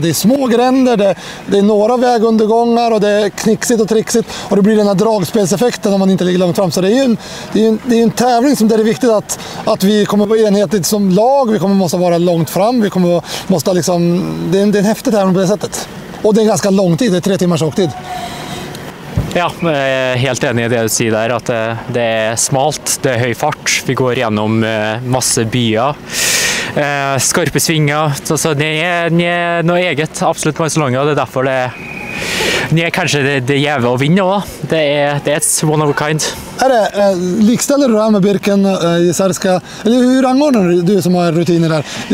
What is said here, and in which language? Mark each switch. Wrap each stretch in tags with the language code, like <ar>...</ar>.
<sv>Det är små gränder, det är några vägundergångar och det är knixigt och trixigt, och det blir den här dragspelseffekten om man inte ligger långt fram. Så det är ju en tävling som, där det är viktigt att vi kommer vara enhetligt som lag, vi kommer måste vara långt fram, vi kommer måste liksom, det är en häftig tävling på det sättet. Och det är ganska lång tid, det är 3 timmars åktid.</sv> <no>Ja, helt enig i det du sier der, at det er smalt, det er høy fart, vi går gjennom masse byer, skarpe svinger, så det er noe eget, absolutt mye så langt, og det er derfor det er kanskje det jævla å vinne også. Det er et</no> <en>one of a kind.</en> <sv>Er det, likställer du det här med Birken, Jizerska, eller hur rangordnar du som har rutiner där?</sv>